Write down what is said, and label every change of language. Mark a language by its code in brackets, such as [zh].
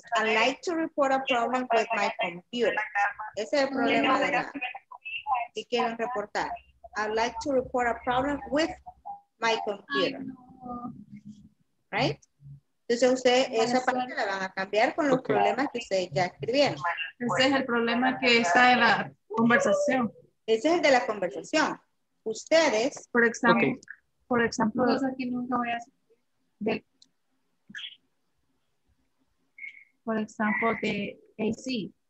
[en] I'd like to report a problem with my computer. [es] Ese es el problema de la que quieren reportar. [en] I'd like to report a problem with my computer. Right? [es] Entonces, ustedes esa parte la van a cambiar con los problemas que ustedes ya escribieron. Ese es el problema que está en la conversación. Ese es el de la conversación. Ustedes, por ejemplo, por ejemplo, de AC.